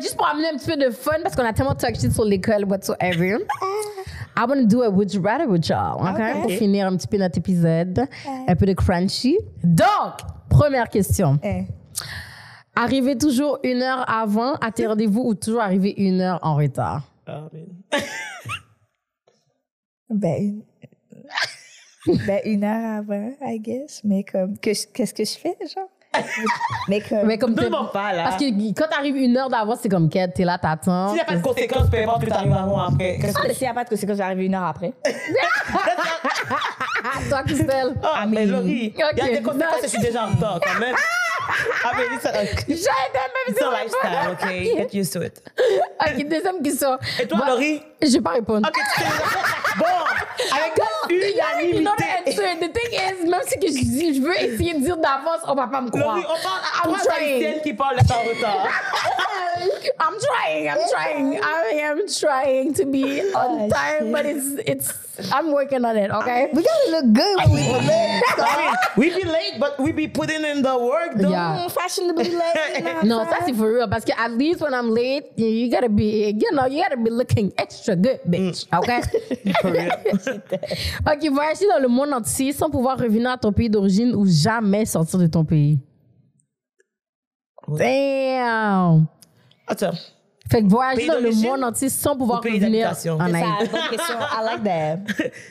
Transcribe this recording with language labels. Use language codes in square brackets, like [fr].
[fr] juste pour amener un petit peu de fun, parce qu'on a tellement [en] talk shit [fr] sur l'école, [en] whatsoever. I want to do a would you rather with y'all, okay? [fr] Pour finir un petit peu notre épisode, un peu de crunchy. Donc, première question. Arriver toujours une heure avant à tes rendez-vous ou toujours arriver une heure en retard? Une heure avant, [en] I guess. [fr] Mais comme, qu'est-ce que je fais, genre? Mais comme tout le monde pas, là. Parce que quand t'arrives une heure d'avance, c'est comme qu'elle, t'es là, t'attends. S'il n'y a pas de conséquences, peu importe que t'arrives avant ou après. Ah, mais s'il n'y a pas de conséquences, j'arrive une heure après. Toi, Christelle. Ah, mais Laurie, il y a des conséquences, je suis déjà en retard, quand même. Ah, mais c'est un... J'ai aidé même si... C'est un [en] lifestyle, OK? Get used to it. [fr] OK, deuxième question. Et toi, Laurie? Je vais pas répondre. OK, tu sais... Bon, avec unanimité... [en] The thing is, [fr] même si que je dis, je veux essayer de dire d'avance, on va pas me croire. Laurie, on parle... [en] I'm trying. [fr] C'est elle qui parle de temps en retard. [en] I'm trying to be on time, but I'm working on it, okay? We gotta look good when we be late. I mean, we be late, but we be putting in the work, though. Yeah. Fashionably late. No, that's for real, because at least when I'm late, you gotta be, you gotta be looking extra good, bitch, okay? For real. [fr] Okay, voyager dans le monde entier sans pouvoir revenir à ton pays d'origine ou jamais sortir de ton pays. [en] Damn! [fr] Attends. Fait que voyager dans le monde entier sans pouvoir revenir en Haïti. C'est ça, bonne question. [en] I like that.